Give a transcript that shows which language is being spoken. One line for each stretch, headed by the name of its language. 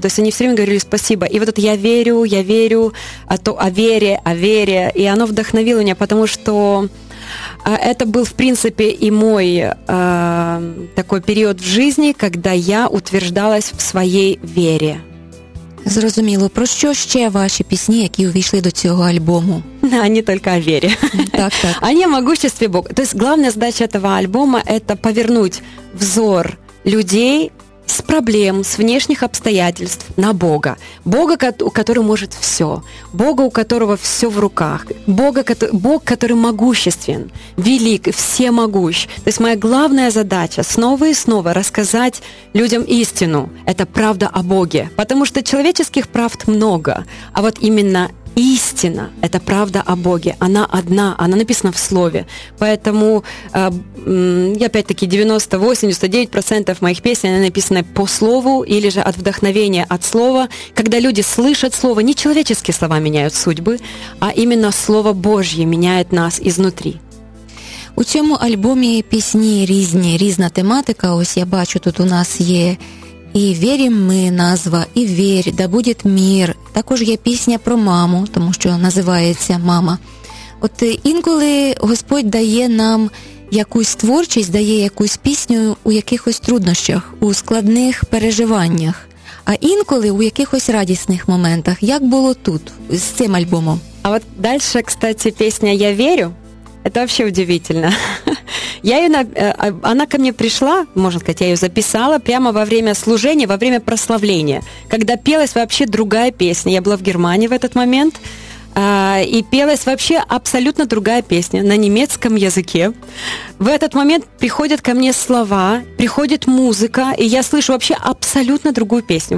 Russian: То есть они все время говорили спасибо. И вот это я верю, а то о вере. И оно вдохновило меня, потому что это был, в принципе, и мой такой период в жизни, когда я утверждалась в своей вере.
Ukrainian: Зрозуміло. Про що ще ваші пісні, які увійшли до цього альбому?
Russian: А не только о вере. Так, так. А не о могуществе Бога. То есть главная задача этого альбома – это повернуть взор людей с проблем, с внешних обстоятельств на Бога. Бога, который может все. Бога, у которого все в руках. Бог, который могуществен, велик, всемогущ. То есть моя главная задача снова и снова рассказать людям истину. Это правда о Боге. Потому что человеческих правд много. А вот именно истина – это правда о Боге. Она одна, она написана в Слове. Поэтому, опять-таки, 98-99% моих песен, они написаны по Слову или же от вдохновения от Слова. Когда люди слышат Слово, не человеческие слова меняют судьбы, а именно Слово Божье меняет нас изнутри.
Ukrainian: У цьому альбомі пісні різні, різна тематика. Ось я бачу, тут у нас є «І вірім ми» назва, «І вірь», «Да буде мір». Також є пісня про маму, тому що називається «Мама». От інколи Господь дає нам якусь творчість, дає якусь пісню у якихось труднощах, у складних переживаннях, а інколи у якихось радісних моментах. Як було тут з цим альбомом? А от далі,
Russian: кстати,
Ukrainian: пісня «Я вірю» – це взагалі удивительно.
Russian: Я ее, она ко мне пришла, можно сказать, я ее записала прямо во время служения, во время прославления, когда пелась вообще другая песня. Я была в Германии в этот момент, и пелась вообще абсолютно другая песня на немецком языке. В этот момент приходят ко мне слова, приходит музыка, и я слышу вообще абсолютно другую песню.